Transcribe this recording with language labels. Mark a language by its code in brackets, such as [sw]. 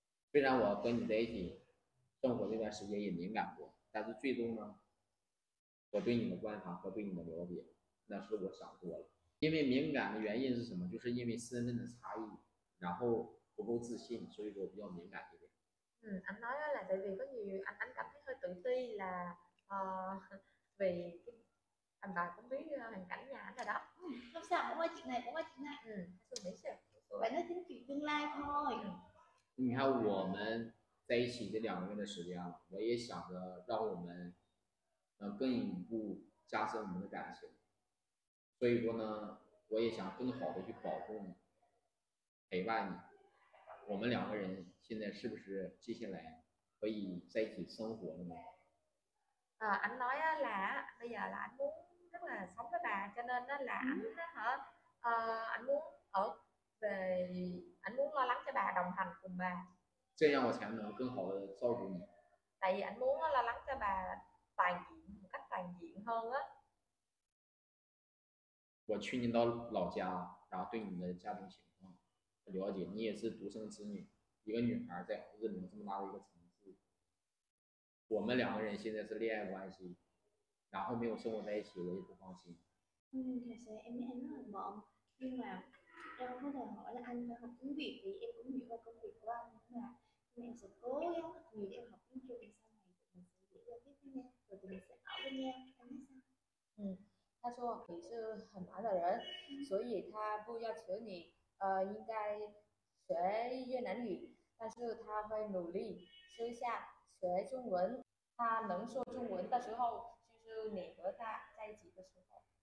[zh] 虽然我跟你在一起生活那段时间也敏感过，但是最终呢，我对你的观察和对你的了解，那是我想多了。因为敏感的原因是什么？就是因为身份的差异，然后不够自信，所以说比较敏感一点。 [vi] Anh nói là tại vì có nhiều anh cảm thấy hơi tự ti là vì anh bà cũng biết hoàn cảnh nhà anh rồi đó. Không sao, cũng có chuyện này, cũng có chuyện này. Không phải sao? Vậy nó chính chuyện tương lai thôi. [zh] 你看我们在一起这两个月的时间了，我也想着让我们更一步加深我们的感情。所以说呢，我也想更好的去保护你，陪伴你。我们两个人现在是不是接下来可以在一起生活了呢？ [vi] anh nói là bây giờ là anh muốn rất là sống với bà, cho nên là anh hả, anh muốn ở về, anh muốn lo lắng cho bà, đồng hành cùng bà. [zh] 这样我才能更好的照顾你。 [vi] Tại vì anh muốn lo lắng cho bà toàn diện, một cách toàn diện hơn á. [zh] 我去你到老家，然后对你的家庭情况了解，你也是独生子女，一个女孩在日本这么大的一个城市，我们两个人现在是恋爱关系，然后没有生活在一起，我也不放心。 [vi] 其实 em rất là mộng, nhưng mà em có thể hỏi là anh học tiếng Việt thì em cũng hiểu công việc của anh nhưng mà em sẽ cố gắng thật nhiều để học tiếng Trung sau này mình sẽ giữ giao tiếp với nhau rồi mình sẽ ở bên nhau, anh nói sao? [zh] 他说你是很忙的人，所以他不要求你应该学越南语，但是他会努力私下学中文。他能说中文的时候，就是你和他在一起的时候。